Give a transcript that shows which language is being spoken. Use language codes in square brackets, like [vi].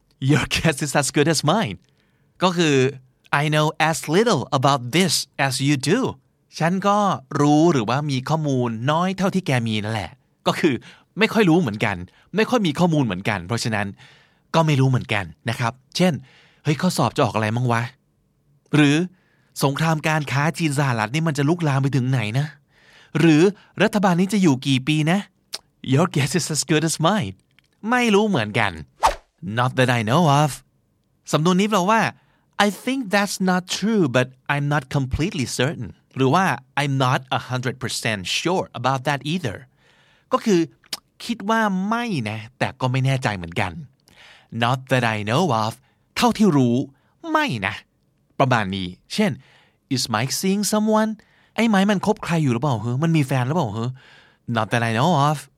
[en] Your guess is as good as mine [th] ก็คือ [en] I know as little about this as you do [th] ฉันก็รู้หรือว่ามีข้อมูลน้อยเท่าที่แกมีนั่นแหละก็คือไม่ค่อยรู้เหมือนกันไม่ค่อยมีข้อมูลเหมือนกันเพราะฉะนั้นก็ไม่รู้เหมือนกันนะครับเช่นเฮ้ยข้อสอบจะออกอะไรมั่งวะ หรือสงครามการค้าจีนสหรัฐนี่มันจะลุกลามไปถึงไหนนะหรือรัฐบาลนี้จะอยู่กี่ปีนะ [en] Your guess is as good as mine [th] ไม่รู้เหมือนกัน [en] Not that I know of [th] สำนวนนี้แปลว่า [en] I think that's not true, but I'm not completely certain. [th] หรือว่า [en] I'm not 100% sure about that either. [th] ก็คือคิดว่าไม่นะแต่ก็ไม่แน่ใจเหมือนกัน [en] Not that I know of. [th] เท่าที่รู้ไม่นะประมาณนี้เช่น [en] Is Mike seeing someone? [th] ไอ้ไมค์มันคบใครอยู่หรือเปล่าเฮ้มันมีแฟนหรือเปล่าเฮ้ [en] Not that I know of.